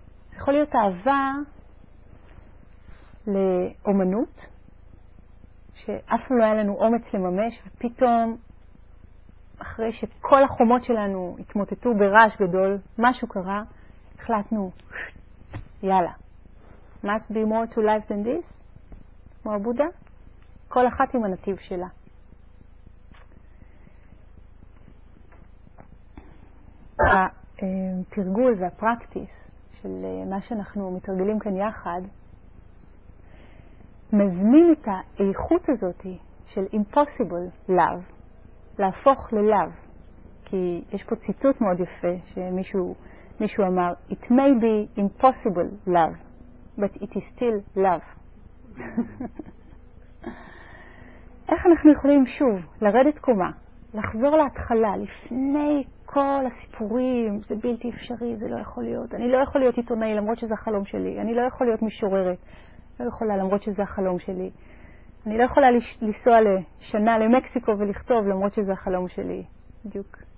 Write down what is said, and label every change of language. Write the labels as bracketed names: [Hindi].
[Hebrew] זה יכול להיות אהבה לאומנות, ש... שאף לא היה לנו אומץ לממש, ופתאום, אחרי שכל החומות שלנו התמוטטו ברעש גדול, משהו קרה, החלטנו, יאללה. [English] Must be more to life than this? [Hebrew] כמו הבודה? כל אחת עם הנתיב שלה. התרגול והפרקטיס של מה שאנחנו מתרגלים כאן יחד, מזמין את האיכות הזאת של [English] impossible love, [Hebrew] להפוך ל-love. כי יש פה ציטוט מאוד יפה שמישהו אמר, [English] it may be impossible love, but it is still love. [Hebrew] איך אנחנו יכולים שוב לרדת קומה, לחזור להתחלה, לפני כל הסיפורים, זה בלתי אפשרי, זה לא יכול להיות. אני לא יכול להיות עיתונאי למרות שזה החלום שלי. אני לא יכול להיות משוררת. לא יכולה למרות שזה החלום שלי. אני לא יכולה לנסוע לשנה למקסיקו ולכתוב למרות שזה החלום שלי. בדיוק.